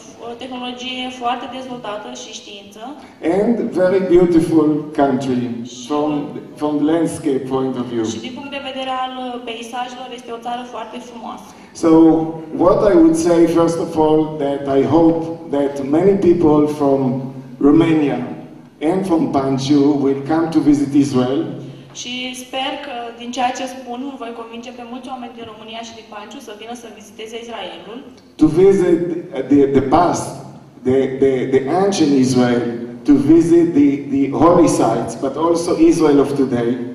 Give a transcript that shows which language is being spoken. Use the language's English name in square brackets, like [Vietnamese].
[Romanian] O tehnologie foarte dezvoltată și știință. [English] And very beautiful country from the landscape point of view. [Romanian] Și din punct de vedere al peisajelor este o țară foarte frumoasă. [English] So what I would say first of all that I hope that many people from Romania and from Panju will come to visit Israel. [Romanian] Și sper că din ceea ce spun voi convinge pe mulți oameni din România și din Panju să vină să viziteze Israelul. [English] To visit the past, the ancient Israel, to visit the holy sites, but also Israel of today.